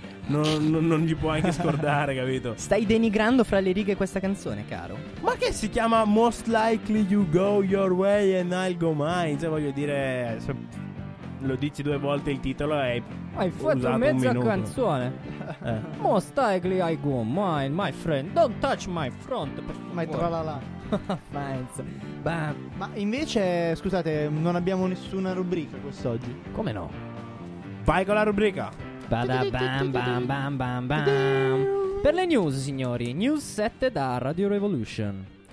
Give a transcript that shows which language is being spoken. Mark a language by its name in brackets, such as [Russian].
[Italian] non gli può anche scordare, capito? Stai denigrando fra le righe questa canzone, caro. Ma che si chiama Most Likely You Go Your Way and I'll Go Mine. Cioè, voglio dire, se lo dici due volte il titolo è... Hai fatto mezza canzone. [English] Most likely I go mine, my friend. Don't touch my front. My tralala. [Italian] Ma invece, scusate, non abbiamo nessuna rubrica quest'oggi. Come no? Vai con la rubrica. Bam, bam, bam, bam, bam. Per le news, signori, news 7 da Radio Revolution.